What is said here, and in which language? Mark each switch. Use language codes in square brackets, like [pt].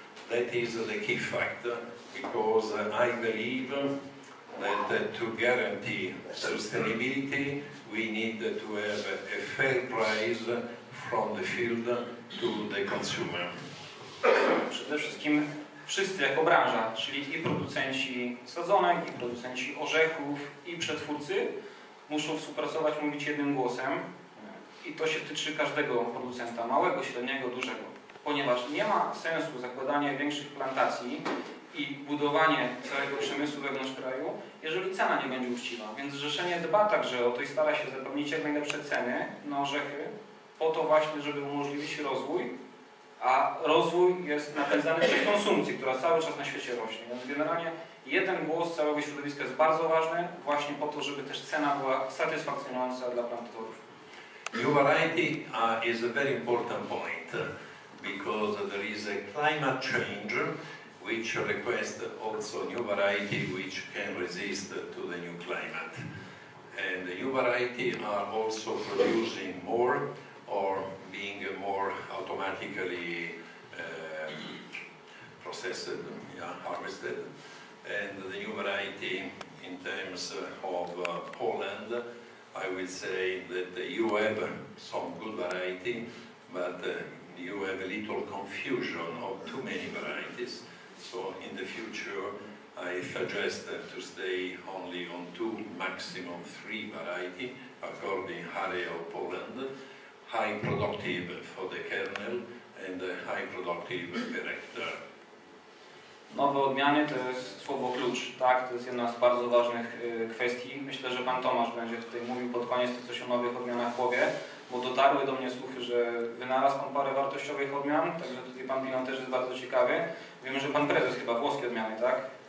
[en] That is the key factor, because I believe that to guarantee sustainability, we need to have a fair price from the field to the consumer. [pl] Przede wszystkim wszyscy jako branża, czyli i producenci sadzonek, i producenci orzechów, i przetwórcy, muszą współpracować, mówić jednym głosem. I to się tyczy każdego producenta, małego, średniego, dużego. Ponieważ nie ma sensu zakładanie większych plantacji i budowanie całego przemysłu wewnątrz kraju, jeżeli cena nie będzie uczciwa. Więc zrzeszenie dba także o to i stara się zapewnić jak najlepsze ceny na orzechy, po to właśnie, żeby umożliwić rozwój. A rozwój jest napędzany przez konsumpcję, która cały czas na świecie rośnie. Więc generalnie jeden głos całego środowiska jest bardzo ważny, właśnie po to, żeby też cena była satysfakcjonująca dla plantatorów. [en] New variety is a very important point, because there is a climate change which requests also new variety which can resist to the new climate. And the new variety are also producing more or being more automatically processed, harvested. And the new variety in terms of Poland, I would say that you have some good variety, but you have a little confusion of too many varieties. So in the future, I suggest to stay only on two, maximum three variety, according to area of Poland, high productive for the kernel and high productive per hectare. [pl] Nowe odmiany to jest słowo klucz, tak? To jest jedna z bardzo ważnych kwestii. Myślę, że pan Tomasz będzie tutaj mówił pod koniec to coś o nowych odmianach powie, bo dotarły do mnie słuchy, że wynalazł pan parę wartościowych odmian, także tutaj pan Pilon też jest bardzo ciekawy. Wiem, że pan prezes chyba włoskie odmiany, tak?